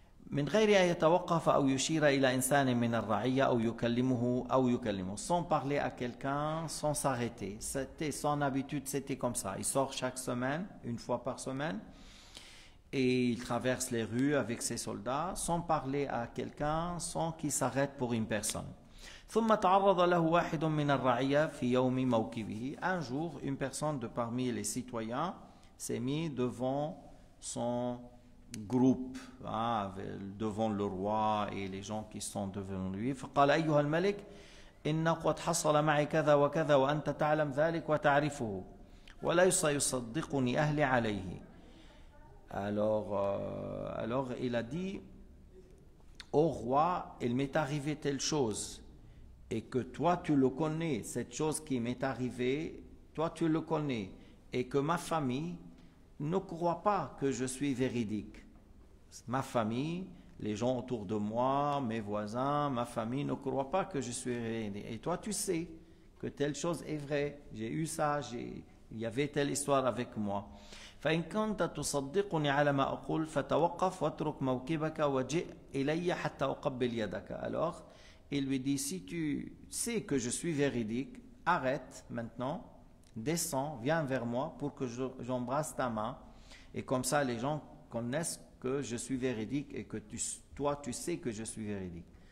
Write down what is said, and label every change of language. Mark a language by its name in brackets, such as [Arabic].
[Arabic] من غير أن يتوقف أو يشير إلى إنسان من الرعية أو يكلمه أو يكلمه. [French] Sans parler à quelqu'un, sans s'arrêter. C'était son habitude, c'était comme ça. Il sort chaque semaine, une fois par semaine. Et il traverse les rues avec ses soldats, sans parler à quelqu'un, sans qu'il s'arrête pour une personne. [Arabic] ثم تعرض له واحد من الرعية في يوم موكبه. [French] Un jour, une personne de parmi les citoyens s'est mise devant son groupe, hein, devant le roi et les gens qui sont devant lui. [Arabic] فقال أيها الملك إن قد حصل معي كذا وكذا وأنت تعلم ذلك وتعرفه وليس يصدقني أهلي عليه. [French] Alors il a dit au roi, il m'est arrivé telle chose et que toi tu le connais, cette chose qui m'est arrivée, toi tu le connais et que ma famille ne croit pas que je suis véridique. Ma famille, les gens autour de moi, mes voisins, ma famille ne croient pas que je suis véridique. Et toi, tu sais que telle chose est vraie. J'ai eu ça, il y avait telle histoire avec moi. [Arabic] فإن كنت تصدقني على ما أقول فتوقف واترك موكبك وجئ إلي حتى أقبل يدك. [French] Alors, il lui dit, si tu sais que je suis véridique, arrête maintenant, descends, viens vers moi pour que j'embrasse ta main. Et comme ça, les gens connaissent que je suis véridique et que toi tu sais que je suis véridique.